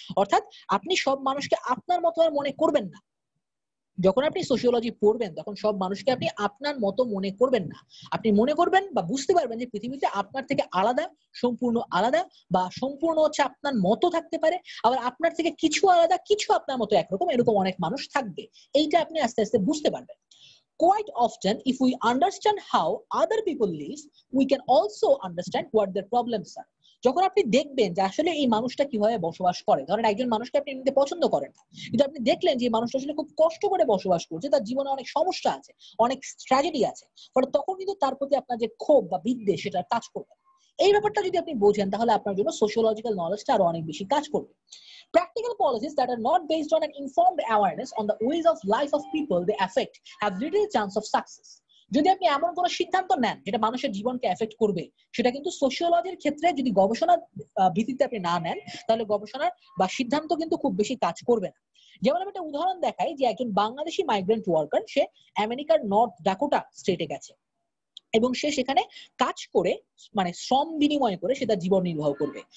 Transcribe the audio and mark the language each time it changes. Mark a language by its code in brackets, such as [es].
[bn] অর্থাৎ আপনি সব মানুষকে আপনার মতো আর মনে করবেন না। যখন আপনি সোশিওলজি পড়বেন তখন সব মানুষকে আপনি আপনার মতো মনে করবেন না, আপনি মনে করবেন বা বুঝতে পারবেন যে পৃথিবীতে আপনার থেকে আলাদা, সম্পূর্ণ আলাদা বা সম্পূর্ণ হচ্ছে আপনার মতো থাকতে পারে, আবার আপনার থেকে কিছু আলাদা, কিছু আপনার মতো একরকম, এরকম অনেক মানুষ থাকবে। এইটা আপনি আস্তে আস্তে বুঝতে পারবেন। [en] Quite often, if we understand how other people live, we can also understand what their problems are. [bn] যখন আপনি দেখবেন যে আসলে এই মানুষটা কিভাবে বসবাস করে, ধরেন একজন মানুষকে আপনি এমনিতে পছন্দ করেন না, কিন্তু আপনি দেখলেন যে এই মানুষটা আসলে খুব কষ্ট করে বসবাস করছে, তার জীবনে অনেক সমস্যা আছে, অনেক স্ট্র্যাটেজি আছে, ফলে তখন কিন্তু তার প্রতি আপনার যে ক্ষোভ বা বিদ্বেষ সেটা কাজ করবে। এই ব্যাপারটা যদি আপনি বোঝেন তাহলে আপনার জন্য সোশিওলজিক্যাল নলেজটা আরো অনেক বেশি কাজ করবে। [en] Practical policies that are not based on an informed awareness on the ways of life of people they affect have little chance of success. [bn] যদি আপনি এমন কোন সিদ্ধান্ত নেন যেটা মানুষের জীবনকে এফেক্ট করবে, সেটা কিন্তু সোশিওলজির ক্ষেত্রে যদি গবেষণার ভিত্তিতে আপনি না নেন তাহলে গবেষণার বা সিদ্ধান্ত কিন্তু খুব বেশি কাজ করবে না। যেমন আমি একটা উদাহরণ দেখাই যে একজন বাংলাদেশি মাইগ্রেন্ট ওয়ার্কার, সে আমেরিকার নর্থ ডাকোটা স্টেটে গেছে এবং সে সেখানে কাজ করে মানে শ্রম বিনিময় করে সে তার জীবন নির্বাহ করবে।